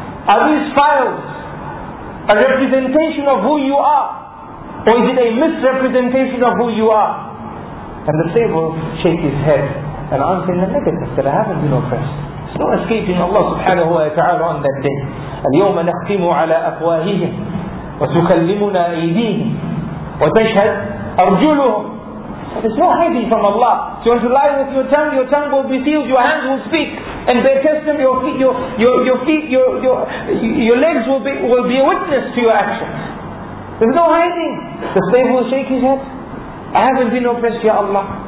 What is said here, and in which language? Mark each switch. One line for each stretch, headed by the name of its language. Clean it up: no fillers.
English: Are these files a representation of who you are? Or is it a misrepresentation of who you are? And the slave will shake his head and answer in the negative that I haven't been oppressed. There's no escaping Allah subhanahu wa ta'ala on that day.
Arabic: اليوم نختم على أفواههم وتكلمنا أيديهم وتشهد أرجلهم.
English: There's no hiding from Allah. So if you lie with your tongue will be sealed, your hands will speak, and bear testimony, your feet, your legs will be a witness to your actions. There's no hiding. The slave will shake his head. I haven't been oppressed, Ya Allah.